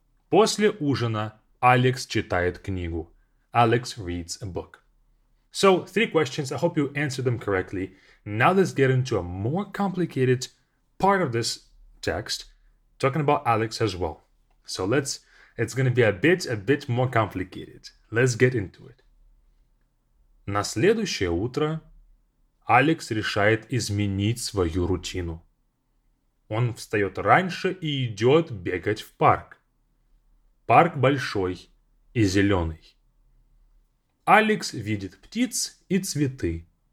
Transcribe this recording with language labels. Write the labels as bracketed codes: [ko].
[ru] После ужина Alex читает книгу. [en] Alex reads a book. So, 3 questions. I hope you answered them correctly. Now let's get into a more complicated part of this text, talking about Alex as well. So it's going to be a bit more complicated. Let's get into it. [ru] На следующее утро Алекс решает изменить свою рутину. Он встает раньше и идет бегать в парк. Парк большой и зеленый. Алекс видит птиц и цветы.